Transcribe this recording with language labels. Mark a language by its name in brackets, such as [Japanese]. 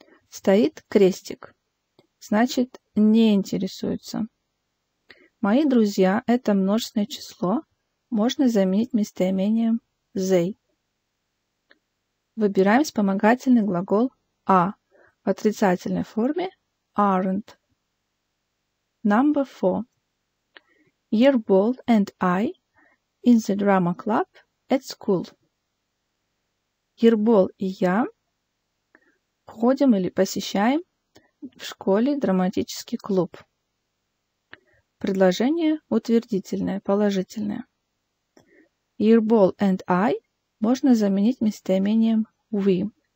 [Russian] Стоит крестик. Значит, не интересуются. Мои друзья – это множественное число. Можно заменить местоимением they. Выбираем вспомогательный глагол are. В отрицательной форме aren't. [English] Number four. Your ball and I in the drama club at school. [Russian] Ербол и я ходим или посещаем в школе драматический клуб. Предложение утвердительное, положительное. Ербол and I можно заменить местоимением we.